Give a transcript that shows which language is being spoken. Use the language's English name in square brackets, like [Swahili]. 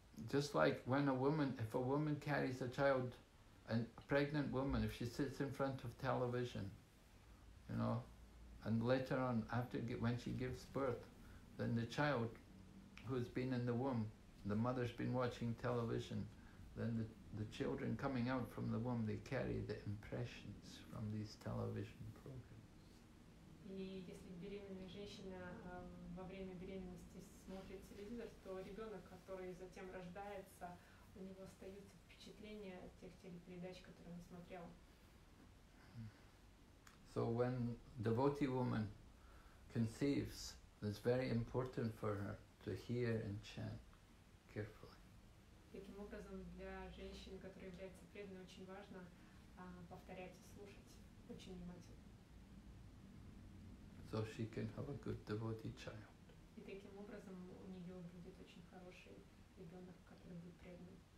[English] Just like when a woman, if a woman carries a child, a pregnant woman, if she sits in front of television, you know, and later on, when she gives birth, then the child who's been in the womb, the mother's been watching television, then the children coming out from the womb, they carry the impressions from these television programs. [Russian] И если беременная женщина во время беременности смотрит телевизор, то ребенок, который затем рождается, у него остаются впечатления от тех телепередач, которые он смотрел. [English] So when devotee woman conceives, it's very important for her to hear and chant carefully. [Russian] Таким образом, для женщины, которая является преданной, очень важно повторять и слушать очень внимательно. [English] So she can have a good devotee child. [Russian] И таким образом у нее будет очень хороший ребенок, который будет преданным.